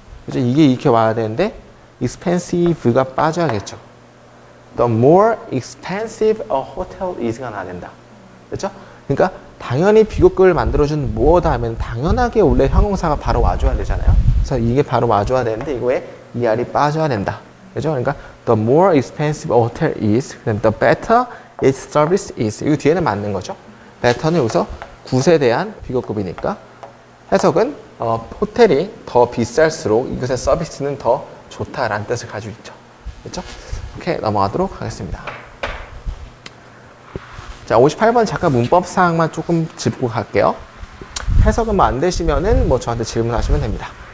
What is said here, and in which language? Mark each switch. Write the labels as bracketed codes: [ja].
[ko] 그죠? 이게 이렇게 와야 되는데 expensive가 빠져야겠죠. [en] The more expensive a hotel is가 [ko] 나야 된다. [en] 그렇죠? [ko] 그러니까 당연히 비교급을 만들어주는 뭐다 하면 당연하게 원래 형용사가 바로 와줘야 되잖아요. 그래서 이게 바로 와줘야 되는데 이거에 ER이 빠져야 된다. 그죠? 그러니까 [en] the more expensive a hotel is, then the better its service is. [ko] 이거 뒤에는 맞는 거죠. better는 여기서 굿에 대한 비교급이니까 해석은 호텔이 더 비쌀수록 이것의 서비스는 더 좋다라는 뜻을 가지고 있죠. 그렇죠? 오케이, 넘어가도록 하겠습니다. 자, 58번 잠깐 문법사항만 조금 짚고 갈게요. 해석은 뭐 안 되시면은 뭐 저한테 질문하시면 됩니다.